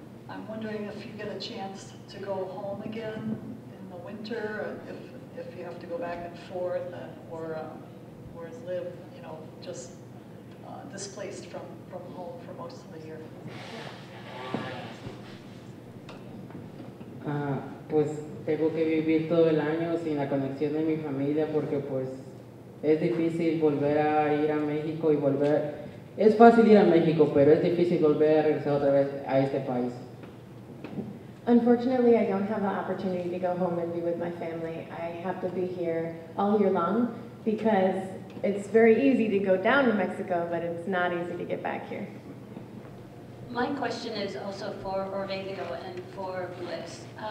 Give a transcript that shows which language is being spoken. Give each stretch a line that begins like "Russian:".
English: I'm wondering if you get a chance to go home again in the winter, if you have to go back and forth, or live, you know, just displaced from home for most of the year.
Spanish: Pues tengo que vivir todo el año sin la conexión de mi familia porque pues es difícil volver a ir a México y volver. Es fácil ir a México, pero es difícil volver a regresar otra vez a este país.
English: Unfortunately, I don't have the opportunity to go home and be with my family. I have to be here all year long because it's very easy to go down to Mexico, but it's not easy to get back here. My question is also for Orvelio and for Bliss.